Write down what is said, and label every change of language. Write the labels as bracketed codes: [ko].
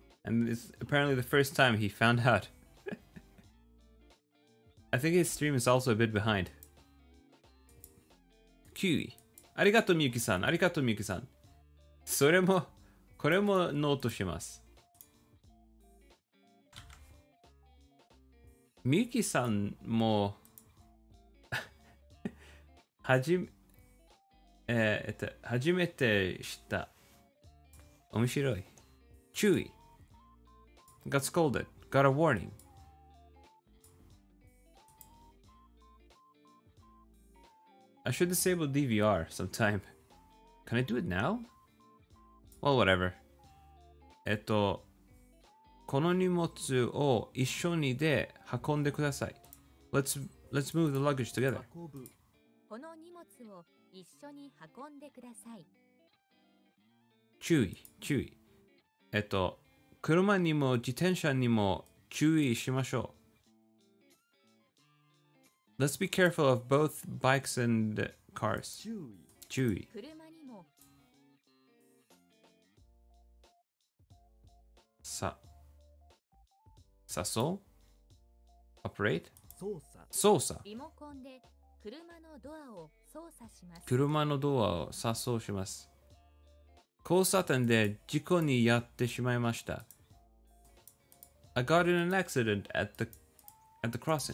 [en] And it's apparently the first time he found out. I think his stream is also a bit behind. [ja] 9位。ありがとうみゆきさん、ありがとうみゆきさん。それも、これもノートします。みゆきさんも、初めて知った。面白い。注意。 [en] Got scolded. Got a warning. I should disable DVR sometime. Can I do it now? Well, whatever. [ja] この荷物を一緒にで運んでください。 [en] Let's move the luggage together. [ja] この荷物を一緒に運んでください。注意、注意。車にも自転車にも注意しましょう。 [en] Let's be careful of both bikes and cars. [ja] 注意。車にも。さそう。Operate。操作。操作。リモコンで車のドアを操作します。車のドアを操作します。交差点で事故にやってしまいました。 [en] I got in an accident at the crossing.